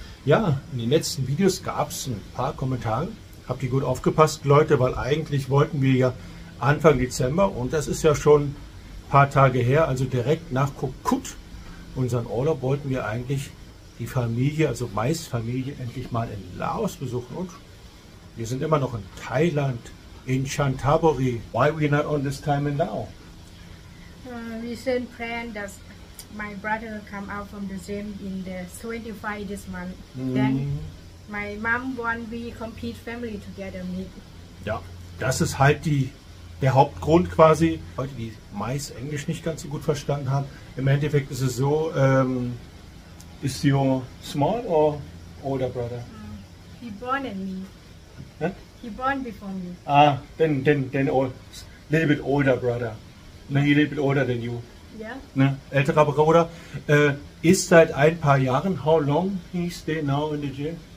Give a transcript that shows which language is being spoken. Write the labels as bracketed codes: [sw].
[de] Ja, in den letzten Videos gab es ein paar Kommentare. Habt ihr gut aufgepasst, Leute, weil eigentlich wollten wir ja Anfang Dezember, und das ist ja schon ein paar Tage her, also direkt nach Koh Kut, unseren Urlaub, wollten wir eigentlich die Familie, also Mais Familie, endlich mal in Laos besuchen. Und wir sind immer noch in Thailand, in Chanthaburi. [en] Why we not on this time in Laos? We sind planned, dass my brother come out from the gym in the 25 this month. Then my mom want we complete family together meet. [de] Ja, das ist halt der Hauptgrund quasi. Leute, die Mais Englisch nicht ganz so gut verstanden haben. Im Endeffekt ist es so, [en] is your small or older brother? He born in me. He born before me. Ah, then old, little bit older brother. Na, he little bit older than you. Yeah. [de] Ne, älterer Bruder ist seit ein paar Jahren. [en] How long he stay now in the jail?